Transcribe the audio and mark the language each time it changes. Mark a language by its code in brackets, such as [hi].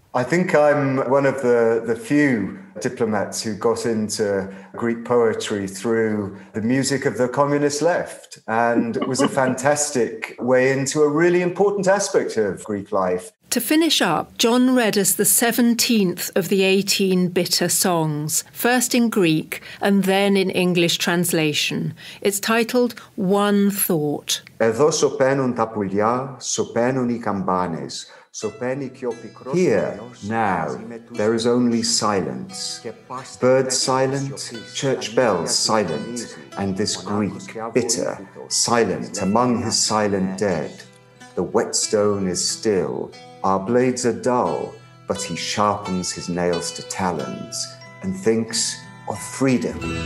[en] I think I'm one of the few diplomats who got into Greek poetry through the music of the communist left. And it was a fantastic way into a really important aspect of Greek life. To finish up, John read us the 17th of the 18 bitter songs, first in Greek and then in English translation. It's titled One Thought. [el] Εδώ σωπαίνουν τα πουλιά, σωπαίνουν οι καμπάνες. [en] Here, now, there is only silence. Bird silent, church bells silent, and this Greek, bitter, silent among his silent dead. The whetstone is still, our blades are dull, but he sharpens his nails to talons and thinks of freedom.